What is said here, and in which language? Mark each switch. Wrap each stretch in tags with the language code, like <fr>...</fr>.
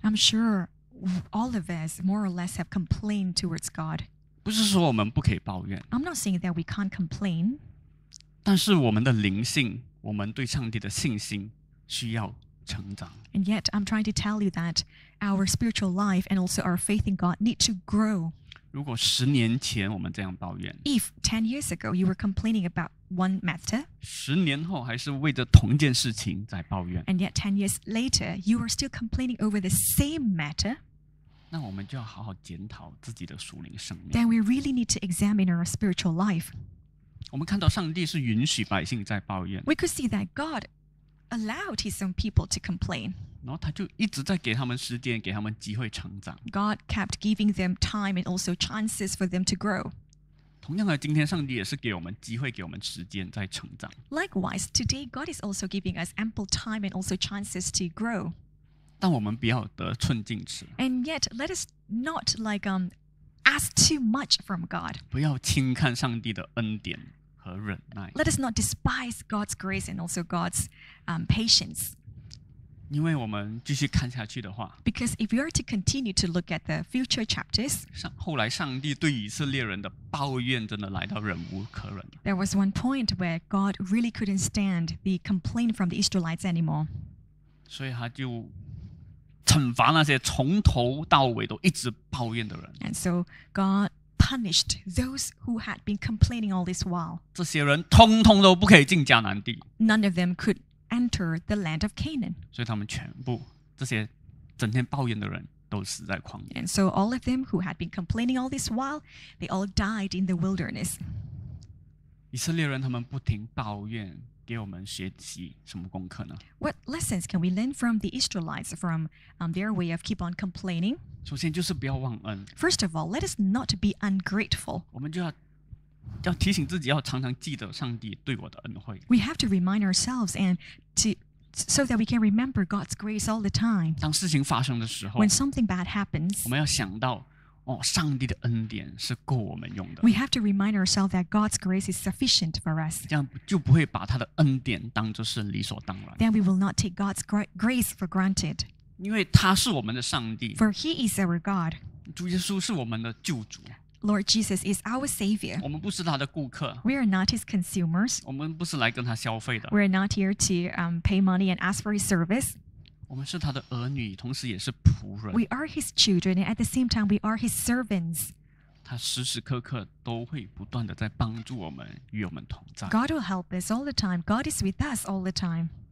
<en>I'm sure all of us more or less have complained towards God.</en> <zh>不是说我们不可以抱怨。</zh> <en>I'm not saying that we can't complain.</en> <zh>但是我们的灵性，我们对上帝的信心需要成长。</zh> <en>And yet, I'm trying to tell you that our spiritual life and also our faith in God need to grow.</en> <zh>如果十年前我们这样抱怨，</zh> <en>If 10 years ago you were complaining about one matter,</en> <zh>十年后还是为着同件事情在抱怨，</zh> <en>And yet 10 years later you are still complaining over the same matter,</en> <zh>那我们就要好好检讨自己的属灵生命。</zh> <en>Then we really need to examine our spiritual life.</en> <zh>我们看到上帝是允许百姓在抱怨。</zh> <en>We could see that God allowed His own people to complain.</en> <zh>然后他就一直在给他们时间，给他们机会成长。</zh> <en>God kept giving them time and also chances for them to grow.</en> <zh>同样的，今天上帝也是给我们机会，给我们时间在成长。</zh> <en>Likewise, today God is also giving us ample time and also chances to grow.</en> <zh>但我们不要得寸进尺。</zh> <en>And yet, let us not ask too much from God.</en> <zh>不要轻看上帝的恩典和忍耐。</zh> <en>Let us not despise God's grace and also God's patience.</en> <zh>因为我们继续看下去的话，</zh> <en>because if we are to continue to look at the future chapters,</en> <zh>后来上帝对以色列人的抱怨真的来到忍无可忍。</zh> <en>There was one point where God really couldn't stand the complaint from the Israelites anymore.</en> <zh>所以他就惩罚那些从头到尾都一直抱怨的人。</zh> <en>And so God punished those who had been complaining all this while.</en> <zh>这些人通通都不可以进迦南地。</zh> <en>None of them could enter the land of Canaan.</en> <zh>所以他们全部这些整天抱怨的人都死在旷野。</zh> <en>And so all of them who had been complaining all this while, they all died in the wilderness.</en> <zh>以色列人他们不停抱怨。给我们学习什么功课呢？</zh> <en>What lessons can we learn from the Israelites from their way of keep on complaining?</en> <zh>首先就是不要忘恩。</zh> <en>First of all, let us not be ungrateful.</en> <zh>我们就要提醒自己，要常常记得上帝对我的恩惠。</zh> <en>We have to remind ourselves and to so that we can remember God's grace all the time.</en> <zh>当事情发生的时候，</zh> <en>when something bad happens,</en> <zh>我们要想到哦，上帝的恩典是够我们用的。</zh> <en>We have to remind ourselves that God's grace is sufficient for us.</en> <zh>这样就不会把他的恩典当作是理所当然。</zh> <en>Then we will not take God's grace for granted.</en> <zh>因为他是我们的上帝。</zh> <en>For He is our God.</en> <zh>主耶稣是我们的救主。</zh> <en>Lord Jesus is our Savior.</en> <zh>我们不是他的顾客。</zh> <en>We are not His consumers.</en> <zh>我们不是来跟他消费的。</zh> <en>We are not here to pay money and ask for His service.</en> <zh>我们是他的儿女，同时也是仆人。</zh> <en>We are his children, and at the same time, we are his servants.</en> <zh>他时时刻刻都会不断地在帮助我们，与我们同在。</zh> <en>God will help us all the time. God is with us all the time.</en>